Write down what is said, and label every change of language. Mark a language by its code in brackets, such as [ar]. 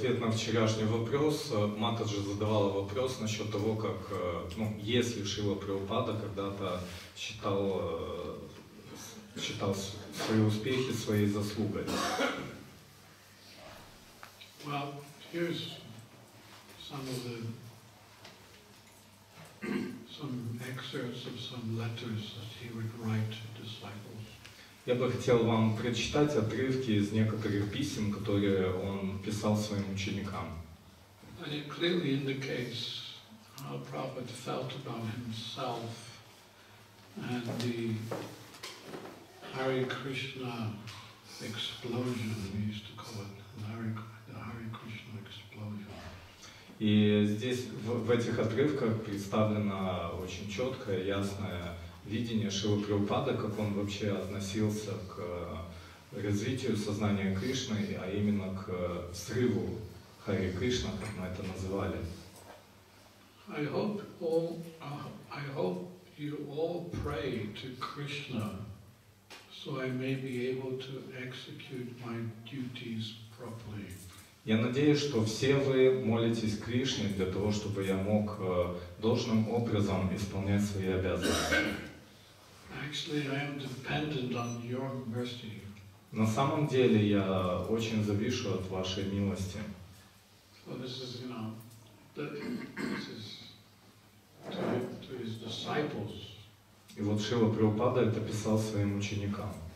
[ru] вчерашний вопрос, Матаджи задавала вопрос насчет того, как, ну, если Шрила Прабхупада когда-то считал свои успехи своей заслугой. [en] Well, here's some excerpts of some letters that he would write to disciples. [ru] Я бы хотел вам прочитать отрывки из некоторых писем, которые он писал своим ученикам. [en] And it clearly indicates how Prabhupada felt about himself and the Hare Krishna explosion, we used to call it the Hare Krishna explosion. [ru] И здесь в этих отрывках представлено очень четкое, ясное видение Шрилы Прабхупады, как он вообще относился к развитию сознания Кришны, а именно к срыву Харе Кришна, как мы это называли. [en] I hope you all pray to Krishna, so I may be able to execute my duties properly. [ru] Я надеюсь, что все вы молитесь Кришне для того, чтобы я мог должным образом исполнять свои обязанности. [en] Actually, I am dependent on your mercy. [ru] На самом деле я очень завишу от вашей милости. [en] So this is, you know, this is to his disciples. [ru] И вот Шрила Прабхупада это писал своим ученикам.